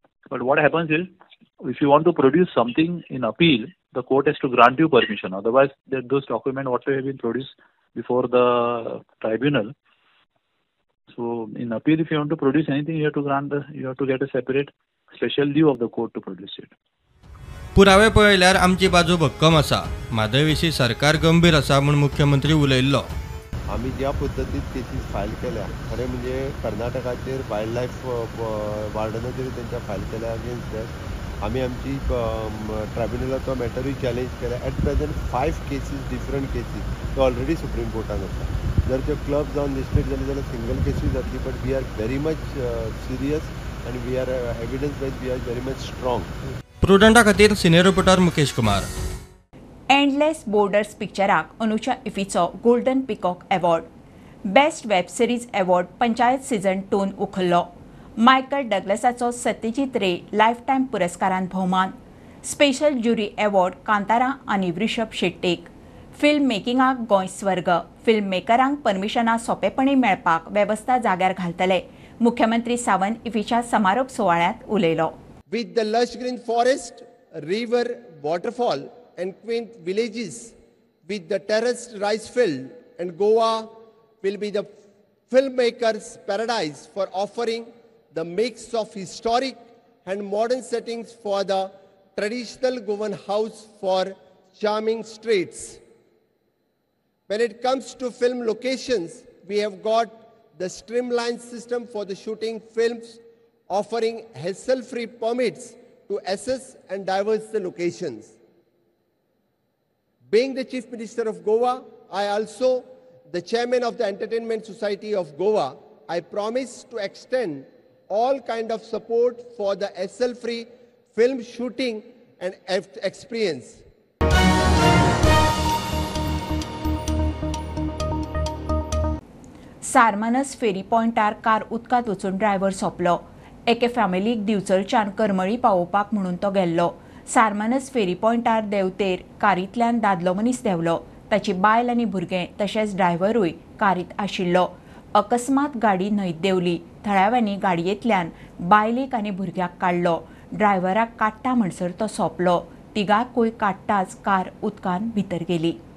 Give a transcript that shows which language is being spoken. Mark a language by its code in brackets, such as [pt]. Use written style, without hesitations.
[en] But what happens is, if you want to produce something in appeal, the court has to grant you permission. Otherwise, those documents what have been produced before the tribunal. So in appeal, if you want to produce anything, you have to grant the, you have to get a separate special leave of the court to produce it. [kok] पुरावे पळयल्यार आमची बाजू भक्कम असा. मादयविषयी सरकार गंभीर असा म्हणून मुख्यमंत्री उलयल्लो. [mr] आम्ही ज्या पद्धतीत केसीस फाईल केल्या, खरे म्हणजे कर्नाटकाचे वाईल्ड लाईफ वार्डनचे त्यांच्या फाईल केल्या [en] Against that. [mr] आम्ही आमची ट्रायब्युनलचा मॅटरही चॅलेंज केला. [en] at present [mr] 5 cases, different cases already supreme कोर्टात असतात. [kok] जर त्यो क्लब जाऊन लिस्टेड झाले जाल्यार सिंगल केसीस जातली, [en] But we are very much serious आणि we are evidence wise we are very much strong. [kok] प्रुडंटा खातीर senior reporter Mukesh Kumar. Endless borders पिक्चराक अनुषा इफ्फीचो golden peacock award. Best web series award panchayat सिझन 2 उखल्लो. मायकल डगलसाचो सत्यजीत रे लायफ टायम पुरस्कारान भोवमान. स्पेशल ज्युरी अवॉर्ड कांतारा आनी वृषभ शेट्टेक. फिल्म मेकिंगाक गोंय स्वर्ग. फिल्म मेकरांक परमिशनां सोंपेपणी मेळपाक वेवस्था जाग्यार घालतले. मुख्यमंत्री सावंत इफ्फीच्या समारोप सुवाळ्यांत उलयलो. [en] With the lush green forest, river, waterfall and quaint villages, with the terraced rice field and Goa will be the film makers paradise for offering the mix of historic and modern settings for the traditional Goan house for charming streets. When it comes to film locations, we have got the streamlined system for the shooting films, offering hassle-free permits to assess and diverse the locations. Being the Chief Minister of Goa, I also the Chairman of the Entertainment Society of Goa, I promise to extend all kind of support for the hassle-free film shooting and experience. [kok] Sarmanas फेरी पॉइंटार कार उदकांत वचून ड्रायव्हर सोंपलो. एके फॅमिलीक दिवचलच्यान करमळी पावोवपाक म्हणून तो गेल्लो. सारमानस फेरी पॉइंटार देंवतेर कारींतल्यान दादलो मनीस देंवलो. ताची बायल आनी भुरगें तशेंच ड्रायव्हरूय कारींत आशिल्लो. अकस्मात गाडी न्हंयत देंवली. थळाव्यांनी गाडयेंतल्यान बायलेक आनी भुरग्याक काडलो. ड्रायव्हराक काडटा म्हणसर तो सोंपलो. तिगाकूय काडटाच कार उदकांत भितर गेली.